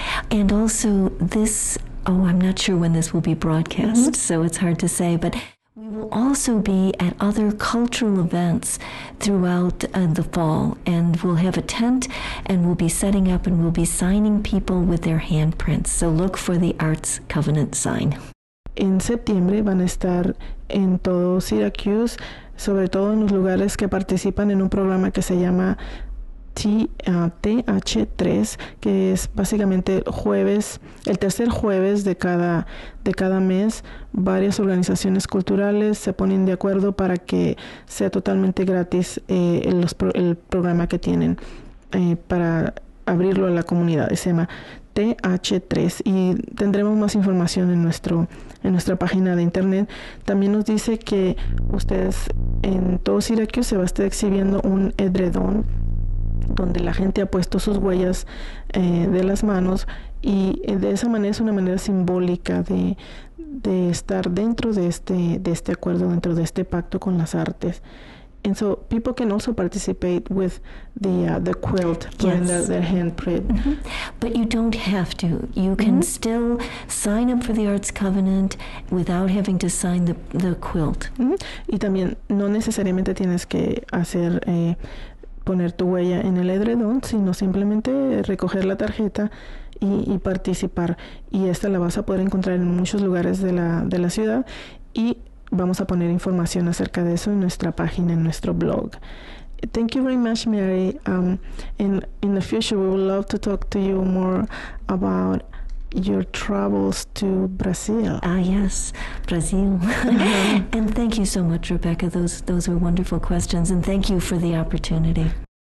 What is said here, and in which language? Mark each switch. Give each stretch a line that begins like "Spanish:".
English: And also this, I'm not sure when this will be broadcast, so it's hard to say, but we will also be at other cultural events throughout the fall, and we'll have a tent, and we'll be setting up, and we'll be signing people with their handprints. So look for the Arts Covenant sign.
Spanish: En septiembre van a estar en todo Syracuse, sobre todo en los lugares que participan en un programa que se llama TH3, que es básicamente jueves, el tercer jueves de cada mes. Varias organizaciones culturales se ponen de acuerdo para que sea totalmente gratis el programa que tienen para abrirlo a la comunidad. Se llama TH3 y tendremos más información en nuestra página de internet. También nos dice que ustedes en todo Syracuse se va a estar exhibiendo un edredón donde la gente ha puesto sus huellas de las manos y de esa manera es una manera simbólica de estar dentro de este acuerdo, dentro de este pacto con las artes.
English: And so people can also participate with the quilt, their handprint. But you don't have to. You can still sign up for the Arts Covenant without having to sign the quilt.
Spanish: Y también no necesariamente tienes que hacer poner tu huella en el edredón, sino simplemente recoger la tarjeta y participar. Y esta la vas a poder encontrar en muchos lugares de la ciudad. Y vamos a poner información acerca de eso en nuestra página, en nuestro blog.
English: Thank you very much, Mary. In the future, we would love to talk to you more about your travels to Brazil. Ah, yes, Brazil. And thank you so much, Rebecca. Those were wonderful questions, and thank you for the opportunity.